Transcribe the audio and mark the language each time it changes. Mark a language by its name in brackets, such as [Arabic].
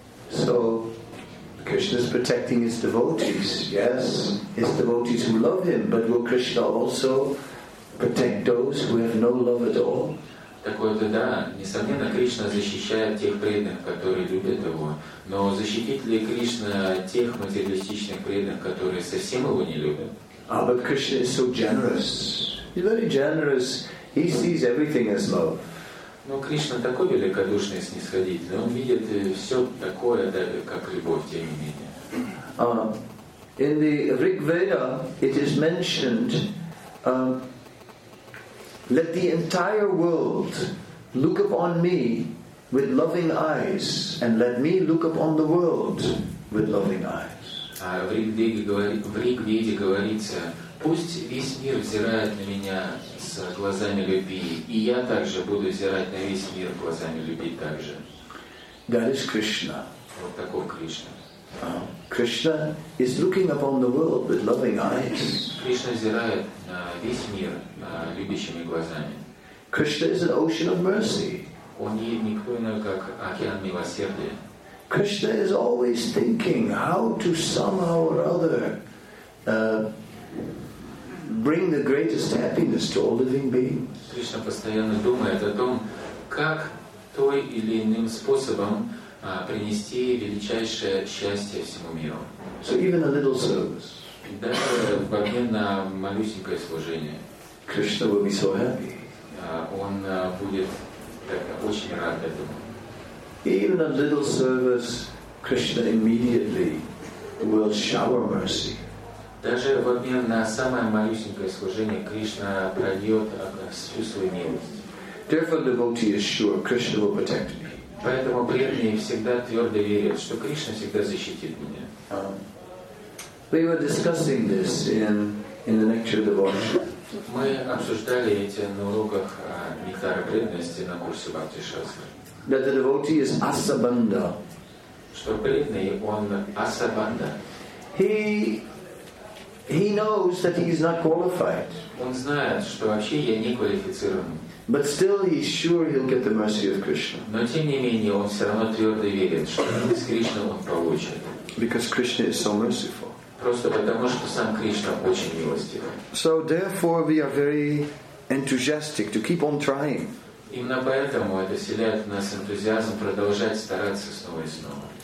[English] So Krishna is protecting his devotees, yes, his devotees who love him, but will Krishna also protect those who have no love at all? [Russian] Так вот, да, несомненно, Кришна защищает тех преданных, которые любят его. Но защитит ли Кришна тех материалистичных преданных, которые совсем его не любят? [English] But Krishna is so generous. He's very generous. He sees everything as love. [Russian] Но Кришна такой великодушный и снисходительный. Он видит все такое, да, как любовь, тем не менее. [English] In the Rig Veda it is mentioned, let the entire world look upon me with loving eyes, and let me look upon the world with loving eyes. [Russian] В Риг Веде говорится, пусть весь мир взирает на меня с глазами любви, и я также буду взирать на весь мир глазами любви также. [English] That is Krishna. [Russian] Вот такой Кришна. [English] Krishna is looking upon the world with loving eyes. [Russian] Кришна взирает на весь мир любящими глазами. [English] Krishna is an ocean of mercy. [Russian] Он не никто иной, как океан милосердия. [English] Krishna is always thinking how to somehow or other bring the greatest happiness to all living beings. [Russian] Кришна постоянно думает о том, как той или иным способом принести величайшее счастье всему миру. [English] So even a little service. [Russian] Даже в обмен на малюсенькое служение. [English] Krishna will be so happy. [Russian] Он будет очень рад этому. [English] Even a little service, Krishna immediately will shower mercy. [Russian] Даже в обмен на самое малюсенькое служение Кришна прольет всю свою милость. [English] Therefore, devotee is sure Krishna will protect me. [Russian] Поэтому преданные всегда твердо верят, что Кришна всегда защитит меня. [English] We were discussing this in the lecture of devotion. [Russian] Мы обсуждали эти на уроках нектара преданности на курсе Бхакти Шастры. [English] That the devotee is asabandha. [Russian] Что преданный он асабанда. [English] He knows that he is not qualified. [Russian] Он знает, что вообще я не квалифицирован. [English] But still, he's sure he'll get the mercy of Krishna. [Russian] Но тем не менее он все равно твердо верит, что с Кришной он получит. [English] Because Krishna is so merciful. [Russian] Просто потому что сам Кришна очень милостив. [English] So therefore, we are very enthusiastic to keep on trying. [Russian] Именно поэтому это вселяет в нас энтузиазм продолжать стараться снова и снова.